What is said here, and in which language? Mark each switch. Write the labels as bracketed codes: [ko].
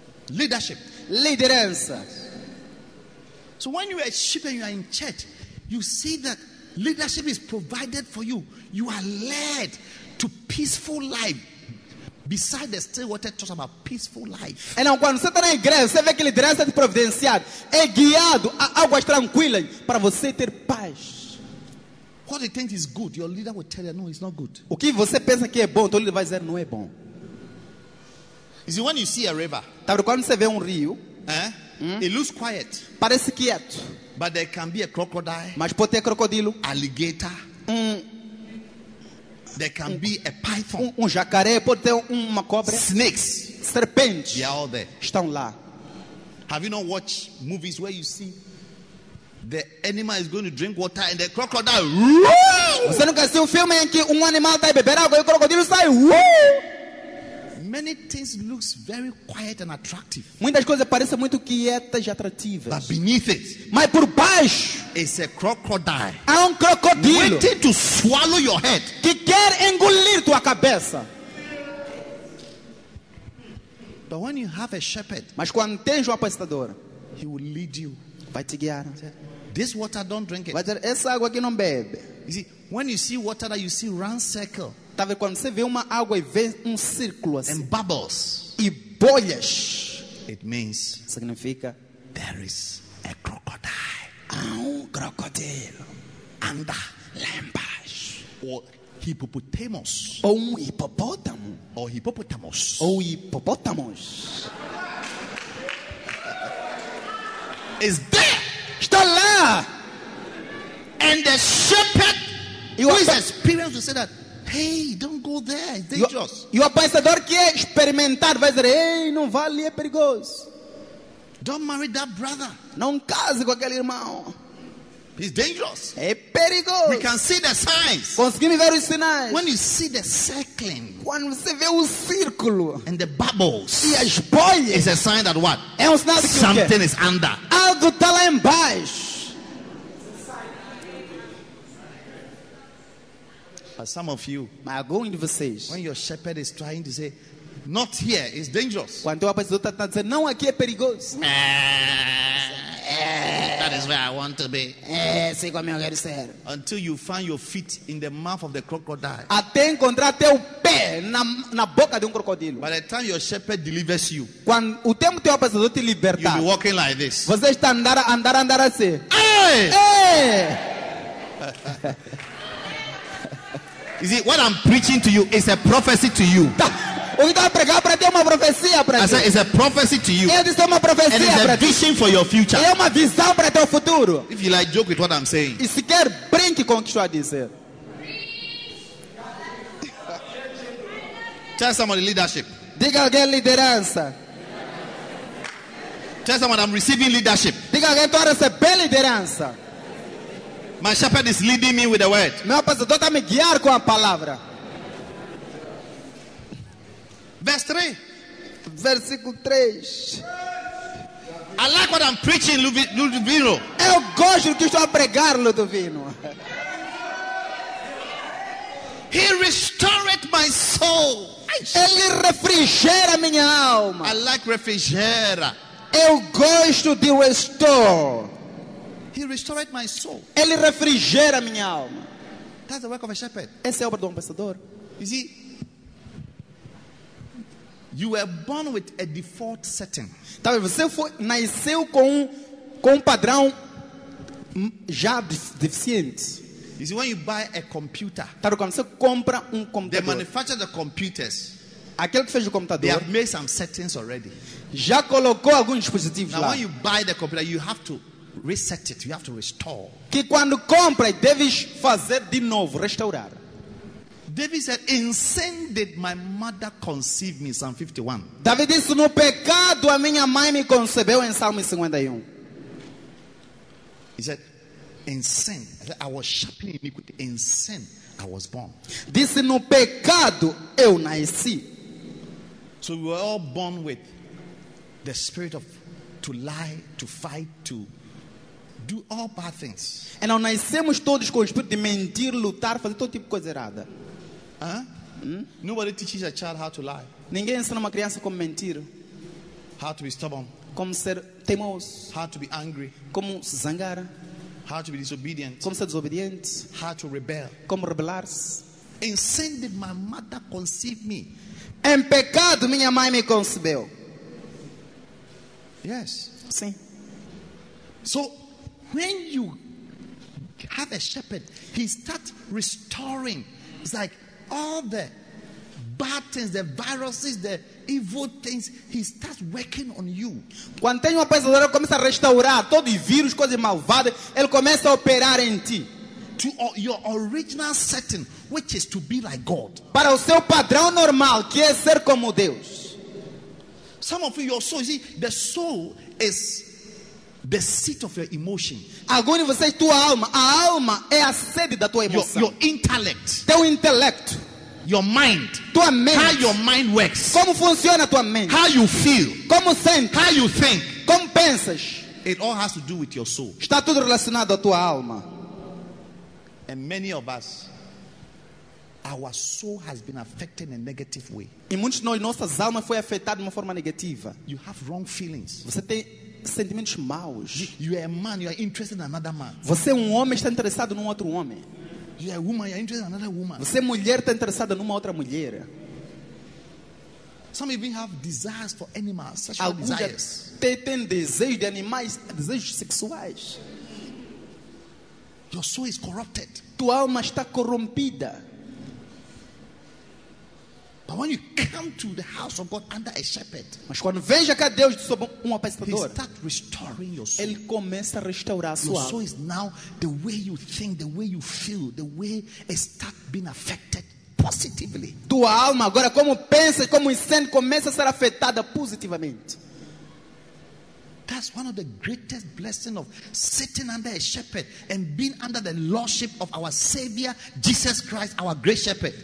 [en] Leadership. [pt] Liderança. [en] So when you are a shepherd and you are in church, you see that leadership is provided for you. You are led to peaceful life. Beside the still water talks about peaceful life. [pt] Então, quando você está na igreja, você vê que liderança é providenciada. É guiado a águas tranquilas para você ter paz. [en] What you think is good, your leader will tell you, no, it's not good. [pt] O que você pensa que é bom, teu líder vai dizer, não é bom. [en] You see, when you see a river, [pt] tá, quando você vê um rio, [en] It looks quiet. [pt] Parece quieto. [en] But there can be a crocodile. [pt] Mas pode ter crocodilo. [en] Alligator. There can be a python. [pt] Um jacaré, pode ter uma cobra. [en] Snakes. [pt] Serpentes. [en] They are all there. [pt] Estão lá. [en] Have you not watched movies where you see the animal is going to drink water and the crocodile? [pt] Você nunca assistiu um filme em que animal está a beber água e o crocodilo sai? Woo! [en] Many things look very quiet and attractive. [pt] Muitas coisas parecem muito quietas e atrativas. [en] But beneath it, [pt] mas por baixo, [en] is a crocodile. [pt] Há um crocodilo [en] waiting to swallow your head. [pt] Que quer engolir tua cabeça. [en] But when you have a shepherd, [pt] mas quando tens um apacentador, [en] he will lead you. [pt] Vai te guiar. [en] This water don't drink it. [pt] Vai dizer, essa água aqui não bebe. [en] You see, when you see water that you see run circle. [pt] Quando você vê uma água e vê círculo assim, [en] and bubbles, [pt] e bolhas, [en] it means [pt] significa [en] there is a crocodile. [pt] Há um crocodilo [en] under lembas, or hippopotamus, [pt] ou um hipopótamo, [en] or hippopotamus, [pt] ou hipopótamos. [en] Is there? [pt] Está lá. [en] And the shepherd, you who is experienced, will say that. Hey, don't go there. It's dangerous. [pt] E o apanhador que é experimentado vai dizer, ei, não vá ali, é perigoso. [en] Don't marry that brother. [pt] Não case com aquele irmão. [en] It's dangerous. [pt] É perigoso. [en] We can see the signs. [pt] Conseguimos ver os sinais. [en] When you see the circling. [pt] Quando você vê o círculo. [en] And the bubbles. [pt] E as bolhas. [en] It's a sign that what? [pt] É um sinal que [en] something is under. [pt] Algo está lá embaixo. [en] But some of you, [pt] mas alguns de vocês, [en] when your shepherd is trying to say, not here, it's dangerous. [pt] Quando o pastor está dizendo, não aqui é perigoso. [en] That is where I want to be. [pt] Sei como eu quero ser. [en] Until you find your feet in the mouth of the crocodile. [pt] Até encontrar teu pé na boca de crocodilo. [en] By the time your shepherd delivers you, [pt] quando o tempo teu pastor te libertar, [en] you'll be walking like this. [pt] Você está andar assim. Hey! Hey! [en] You see, what I'm preaching to you is a prophecy to you. I said it's a prophecy to you. And it's a vision for your future. [pt] É uma visão para teu futuro. [en] If you like, joke with what I'm saying. [pt] E se quer, brinque com o que estou a dizer. [en] Tell someone leadership. [pt] Diga alguém liderança. [en] Tell someone I'm receiving leadership. [pt] Diga alguém que estou a receber liderança. [en] My shepherd is leading me with the word. [pt] Meu pastor está me guiar com a palavra. [en] Verse 3. [pt] Versículo [en] 3. I like what I'm preaching, Ludovino. [pt] Eu gosto do que estou a pregar, Ludovino. [en] He restored my soul. [pt] Ele refrigera minha alma. [en] I like refrigera. [pt] Eu gosto de restore. [en] He restored my soul. [pt] Ele refrigera minha alma. [en] That's the work of a shepherd. [pt] Esse é o trabalho do pastor. [en] You see, you were born with a default setting. [pt] Talvez você nasceu com um padrão já deficiente. [en] You see, when you buy a computer, [pt] quando você compra computador, [en] they manufacture the computers. [pt] Aquele que fez o computador, [en] they have made some settings already. [pt] Já colocou alguns dispositivos [en] lá. Now, when you buy the computer, you have to reset it. You have to restore. [pt] Que quando compra, deve fazer de novo, restaurar. [en] David said, "In sin did my mother conceive me." Psalm 51. [pt] David disse, no pecado a minha mãe me concebeu em Salmo 51. [en] He said, "In sin, I was sharpened in iniquity. In sin, I was born." [pt] Disse, no pecado eu nasci. [en] So we were all born with the spirit of to lie, to fight, to do all bad things. [pt] E nós nascemos todos com o espírito de mentir, lutar, fazer todo tipo de coisa errada. [en] Nobody teaches a child how to lie. [pt] Ninguém ensina uma criança como mentir. [en] How to be stubborn. [pt] Como ser teimoso. [en] How to be angry. [pt] Como se zangar. [en] How to be disobedient. [pt] Como ser desobediente. [en] How to rebel. [pt] Como rebelar-se. [en] In sin did my mother conceive me. [pt] Em pecado minha mãe me concebeu. [en] Yes. [pt] Sim. [en] So when you have a shepherd, he starts restoring. It's like all the bad things, the viruses, the evil things, he starts working on you. [pt] Quando tem uma pessoa, ele começa a restaurar todos os vírus, coisas malvadas, ele começa a operar em ti. [en] To your original setting, which is to be like God. [pt] Para o seu padrão normal, que é ser como Deus. [en] Some of you, your soul, you see, the soul is the seat of your emotion. [pt] Agora você, tua alma. A alma é a sede da tua emoção. [en] Your intellect. [pt] Teu intelecto. [en] Your mind. [pt] Tua mente. [en] How your mind works. [pt] Como funciona tua mente. [en] How you feel. [pt] Como sente. [en] How you think. [pt] Como pensas. [en] It all has to do with your soul. [pt] Está tudo relacionado à tua alma. [en] And many of us, our soul has been affected in a negative way. [pt] E muitos de nós, nossas almas foi afetada de uma forma negativa. [en] You have wrong feelings. [pt] Você tem sentimentos maus. [en] You are a man, you are interested in another man. [pt] Você é um homem, está interessado num outro homem. [en] You are a woman, you are interested in another woman. [pt] Você é mulher, está interessada numa outra mulher. [en] Some even have desires for animals, sexual desires. [pt] Tem desejos de animais, desejos sexuais. [en] Your soul is corrupted. [pt] Tua alma está corrompida. [en] But when you come to the house of God under a shepherd, [pt] mas quando veja que Deus sob um pastor, [en] he start restoring your soul. [pt] Ele começa a restaurar a sua alma. [en] Your soul is now the way you think, the way you feel, the way it start being affected positively. [pt] Tua alma agora como pensa, como sente, começa a ser afetada positivamente. [en] That's one of the greatest blessings of sitting under a shepherd and being under the lordship of our Savior, Jesus Christ, our great shepherd.